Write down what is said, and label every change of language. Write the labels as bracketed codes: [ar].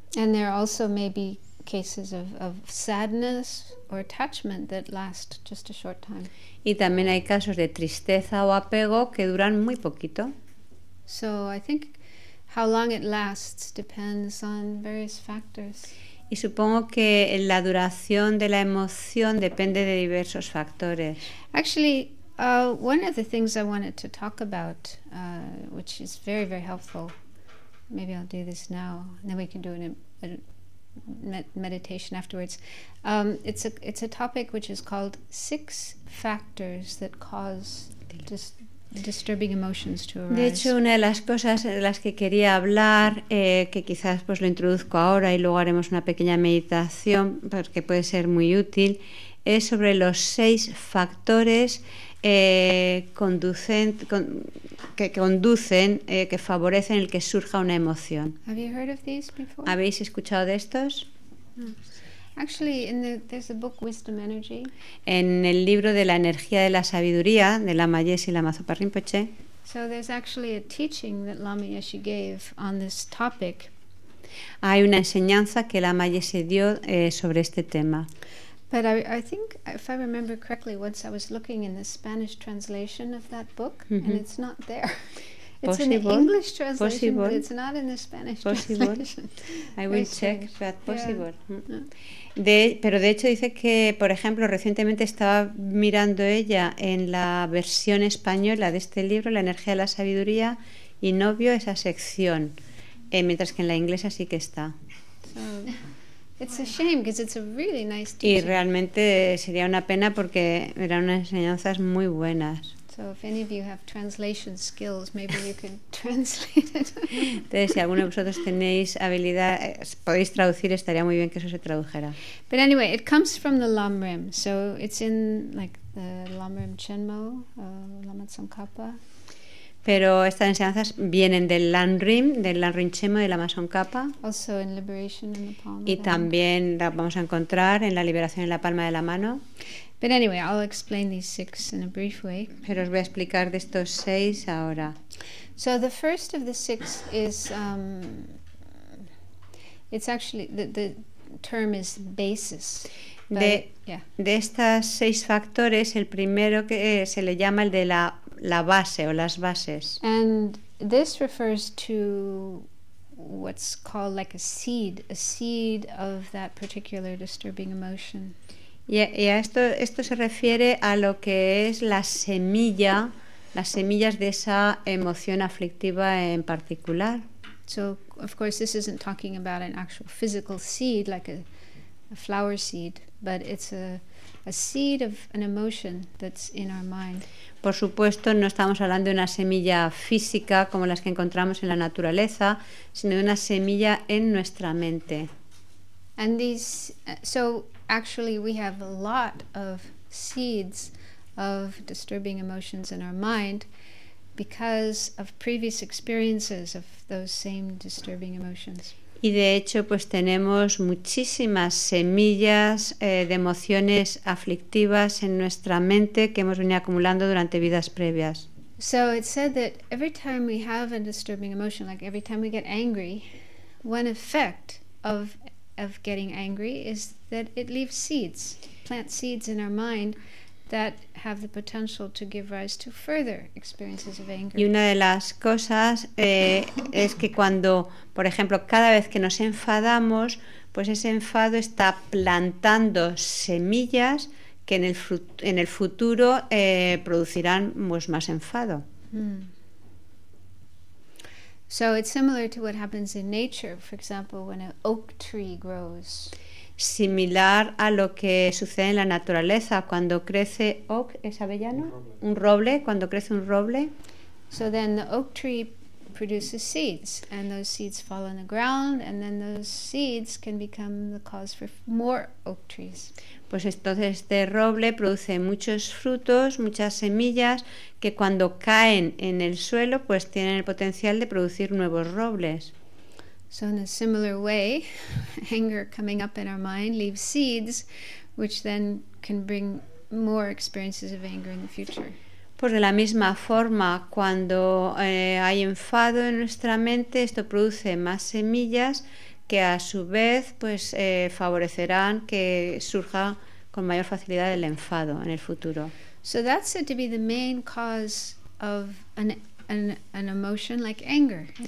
[en] And there also may be cases of sadness or attachment that last just a short time. [es] Y también hay casos de tristeza o apego que duran muy poquito. [en] So I think how long it lasts depends on various factors. [es] Y supongo que la duración de la emoción depende de diversos factores. [en] Actually, one of the things I wanted to talk about, which is very, very helpful, maybe I'll do this now, and then we can do it in meditation afterwards. It's a topic which is called six factors that cause disturbing emotions to arise. [es] De hecho, una de las cosas de las que quería hablar, que quizás pues lo introduzco ahora y luego haremos una pequeña meditación, porque puede ser muy útil, es sobre los seis factores que favorecen el que surja una emoción. [en] Have you heard of these before? [es] ¿Habéis escuchado de estos? [en] Actually, there's a book, Wisdom Energy. [es] En el libro de la energía de la sabiduría de Lama Yeshe y Lama Zopa Rinpoche. [en] So there's actually a teaching that Lama Yeshe gave on this topic. [es] Hay una enseñanza que Lama Yeshe dio sobre este tema. [en] But I think, if I remember correctly, once I was looking in the Spanish translation of that book, and it's not there. Possible. In the English translation, possible. But it's not in the Spanish possible. Translation. I will check, strange. But possible. Yeah. [es] Pero de hecho dice que, por ejemplo, recientemente estaba mirando ella en la versión española de este libro, La energía de la sabiduría, y no vio esa sección, mientras que en la inglesa sí que está. [en] So. It's a shame because it's a really nice teaching. [es] Y realmente sería una pena porque eran unas enseñanzas muy buenas. [en] So So if any of you have translation skills, maybe you can translate it. [es] Entonces, si alguno de vosotros tenéis habilidad, podéis traducir, estaría muy bien que eso se tradujera. [en] But anyway, it comes from the Lamrim. So it's in like the Lamrim Chenmo, Lama Tsongkhapa. [es] Pero estas enseñanzas vienen del Lamrim, del Lamrim Chenmo y del Lama Tsongkhapa. [en] Also in liberation in the palm. [es] Y también la vamos a encontrar en la liberación en la palma de la mano. [en] But anyway, I'll explain these six in a brief way. [es] Pero os voy a explicar de estos seis ahora. [en] So the first of the six is it's actually the term is basis. [es] De estas seis factores, el primero que se le llama el de la base o las bases. [en] And this refers to what's called like a seed of that particular disturbing emotion. [es] Y a esto se refiere a lo que es la semilla, las semillas de esa emoción aflictiva en particular. [en] So, of course, this isn't talking about an actual physical seed, like a flower seed, but it's a seed of an emotion that's in our mind. [es] Por supuesto, no estamos hablando de una semilla física como las que encontramos en la naturaleza, sino de una semilla en nuestra mente. [en] And actually, we have a lot of seeds of disturbing emotions in our mind because of previous experiences of those same disturbing emotions. [es] Y de hecho, pues tenemos muchísimas semillas de emociones aflictivas en nuestra mente que hemos venido acumulando durante vidas previas. [en] So it said that every time we have a disturbing emotion, like every time we get angry, one effect of getting angry is that it leaves seeds, plant seeds in our mind that have the potential to give rise to further experiences of anger. [es] Y una de las cosas es que cuando, por ejemplo, cada vez que nos enfadamos, pues ese enfado está plantando semillas que en el futuro producirán pues más enfado. [en] So it's similar to what happens in nature, for example, when an oak tree grows. [es] Similar a lo que sucede en la naturaleza cuando crece oak, ¿es avellano? Un roble, cuando crece un roble. [en] So then the oak tree produces seeds, and those seeds fall on the ground, and then those seeds can become the cause for more oak trees. [es] Pues entonces este roble produce muchos frutos, muchas semillas, que cuando caen en el suelo, pues tienen el potencial de producir nuevos robles. [en] So in a similar way, anger coming up in our mind leaves seeds, which then can bring more experiences of anger in the future. [es] Pues de la misma forma, cuando hay enfado en nuestra mente, esto produce más semillas que a su vez pues favorecerán que surja con mayor facilidad el enfado en el futuro. [en] So that's said to be the main cause of an emotion like anger.